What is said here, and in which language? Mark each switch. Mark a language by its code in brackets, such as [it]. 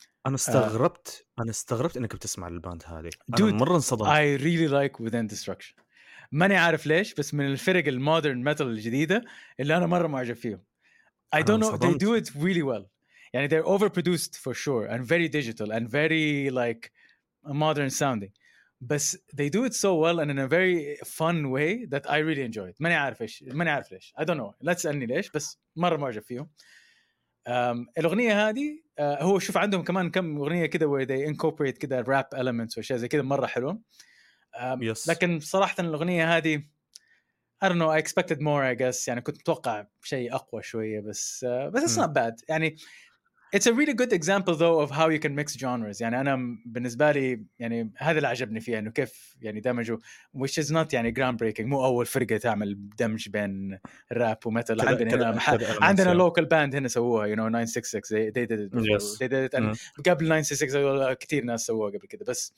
[ar] أنا استغربت إنك بتسمع الباند هذه. Dude, أنا مرة انصدمت. [en] I really like Within Destruction. [ar] ماني عارف ليش بس من الفرق المودرن ميتال الجديدة اللي أنا مرة معجب فيهم. [en] I don't know they do it really well. يعني they're overproduced for sure and very digital and very like modern sounding. بس they do it so well and in a very fun way that I really enjoy it. [ar] ماني عارف ليش. [en] I don't know. [ar] لا تسألني ليش بس مرة معجب فيهم. الأغنية هذه هو شوف عندهم كمان كم أغنية كده [en] where they incorporate [ar] كده [en] rap elements [ar] وأشياء زي كده مرة حلوة. [en] Yes. [ar] لكن صراحة الأغنية هذه [en] I don't know. I expected more I guess. [ar] يعني كنت متوقع شيء أقوى شوية بس [en] it's not bad. يعني It's a really good example, though, of how you can mix genres. [ar] يعني أنا بالنسبة لي يعني هذا اللي عجبني فيه إنه كيف يعني دمجوا, [en] which is not [ar] يعني groundbreaking. مو أول فرقة تعمل دمج بين راب وميتال. [en] عندنا local band [ar] هنا سووها. [en] You know, 966. They did it. Yes. They did it. And [ar] قبل 966 كتير ناس سووها قبل كده.